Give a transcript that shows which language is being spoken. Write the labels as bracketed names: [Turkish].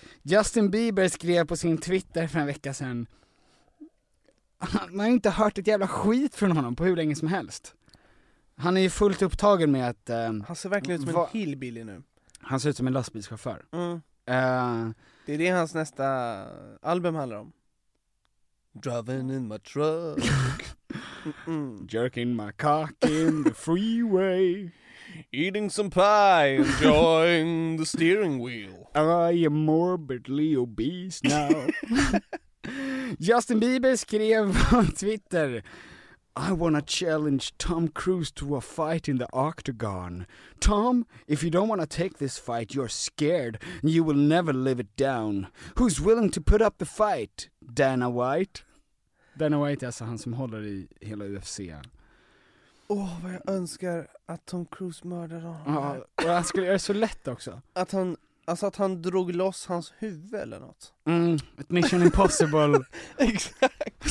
[Swedish] Justin Bieber skrev på sin Twitter för en vecka sedan. Man har inte hört ett jävla skit från honom på hur länge som helst. Han är ju fullt upptagen med att... Han ser verkligen ut som en hillbilly nu. Han ser ut som en lastbilschaufför. Mm. Det är det hans nästa album handlar om. [English] Driving in my truck. Jerking my cock in the freeway. Eating some pie, enjoying the steering wheel. I am morbidly obese now. [Swedish] Justin Bieber skrev på Twitter, [English] I wanna challenge Tom Cruise to a fight in the octagon. Tom, if you don't wanna take this fight, you're scared and you will never live it down. Who's willing to put up the fight? Dana White. [Swedish] Dana White är alltså han som håller i hela UFC. Åh, vad jag önskar att Tom Cruise mördade honom. Ja, och han skulle göra så lätt också. Att han, alltså att han drog loss hans huvud eller något. Mm, ett Mission Impossible. Exakt.